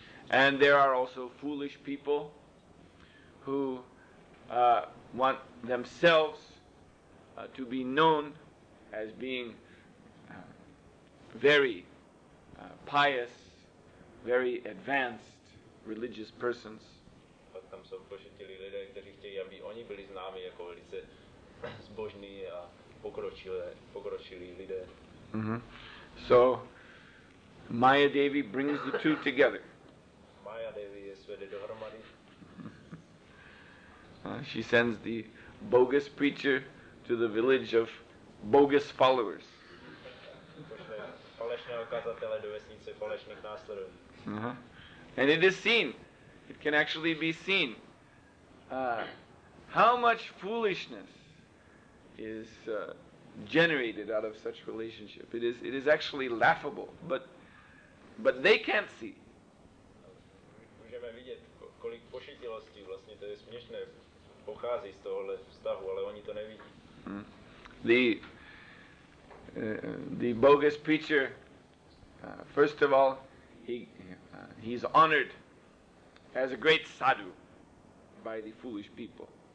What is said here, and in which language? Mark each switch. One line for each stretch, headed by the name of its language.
English: And there are also foolish people who want themselves to be known as being very pious, very advanced religious persons.
Czech: Pak tam jsou pošetilí lidé, kteří chtějí, aby oni byli známi jako velice zbožní a pokročilí lidé.
English: So Maya Devi brings the two together.
Czech: Maya Devi je svede dohromady.
English: She sends the bogus preacher to the village of bogus followers.
Czech: Falešného kazatele do vesnice falešných následovníků.
English: And it is seen, it can actually be seen, how much foolishness is generated out of such relationship. It is actually laughable, but they can't see.
Czech: Můžeme vidět, kolik pošetilostí vlastně to je směšné pochází z tohohle vztahu, ale oni to nevidí.
English: The bogus preacher, first of all, he's honored as a great sadhu by the foolish people.